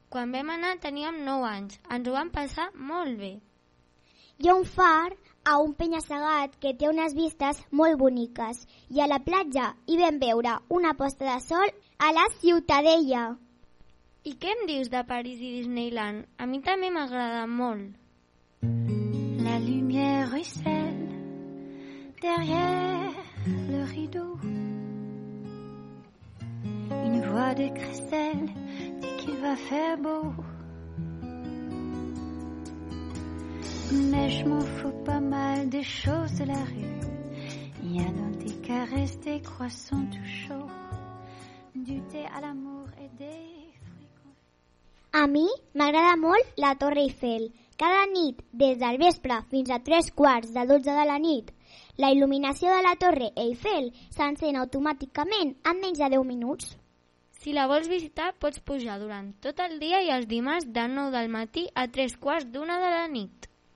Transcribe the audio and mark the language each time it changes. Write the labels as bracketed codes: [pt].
[ca] Quan vam anar teníem 9 anys, ens ho vam passar molt bé. Hi ha un far a un penya-segat que té unes vistes molt boniques i a la platja hi vam veure una posta de sol a la Ciutadella. I què em dius de París i Disneyland? A mi també m'agrada molt. [fr] La lumière ruisselle derrière le rideau. Une voix de cristal dit qu'il va faire beau. Mais je m'en fous pas mal des choses de la rue. Il y a dans tes caresses des croissants tout chauds, du thé à l'amour et des fruits. [ca] A mi m'agrada molt la Torre Eiffel. Cada nit, des del vespre fins a 3:15 de la nit, la il·luminació de la Torre Eiffel s'encén automàticament en menys de 10 minuts. Si la vols visitar, pots pujar durant tot el dia i els dimarts de 9 del matí a 3:15 de la nit.